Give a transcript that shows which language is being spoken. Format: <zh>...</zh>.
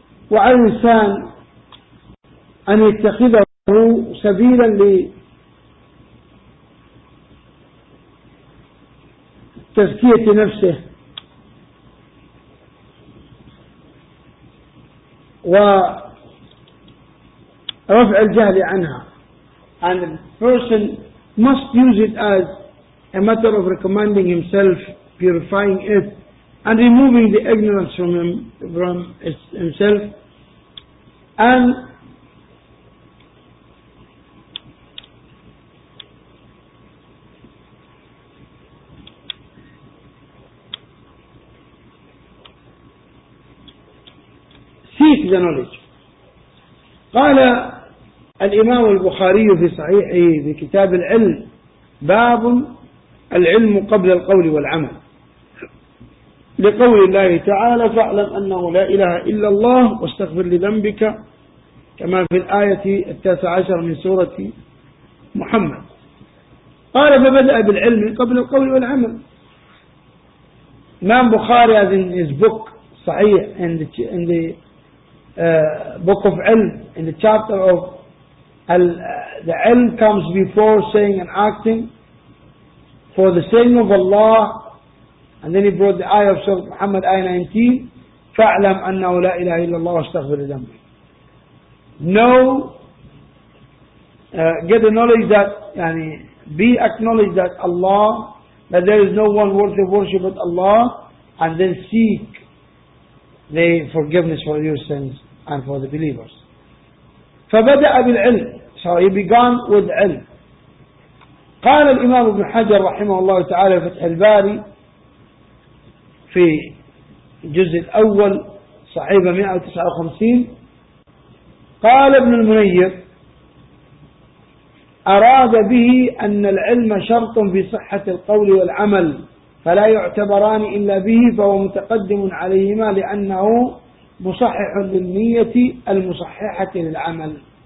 <ar>وعلى الإنسان أن يتخذه سبيلا لتزكية نفسه ورفع الجهل عنها.</ar> <en>And the person must use it as a matter of recommending himself, purifying it, and removing the ignorance from him, from himself, and seek the knowledge.</en> <ar>قال الإمام البخاري في صحيحه في كتاب العلم باب العلم قبل القول والعمل لقول الله تعالى فاعلم أنه لا إله إلا الله واستغفر لذنبك كما في الآية 19 من سورة محمد. قال فبدأ بالعلم قبل القول والعمل.</ar> <en>الإمام البخاري has in his book صحيح in the book of علم in the chapter of the ilm comes before saying and acting for the saying of Allah, and then he brought the ayah of Surah Muhammad, ayah 19,</en> <ar>فَاعْلَمْ أَنَّهُ لَا إِلَهَ إِلَّا اللَّهُ وَاسْتَغْفِرْ لِذَنْبِهِ.</ar> <en>Know, get the knowledge that, yani, be acknowledged that Allah, that there is no one worthy of worship but Allah, and then seek the forgiveness for your sins and for the believers.</en> <ar>فبدأ بالعلم.</ar> <en>So he began with علم.</en> <ar>قال الإمام ابن حجر رحمه الله تعالى فتح الباري في الجزء الأول صحيفة 159 قال ابن المنير أراد به أن العلم شرط في صحة القول والعمل فلا يعتبران إلا به فهو متقدم عليهما لأنه مصحح للنية المصححة للعمل.</ar>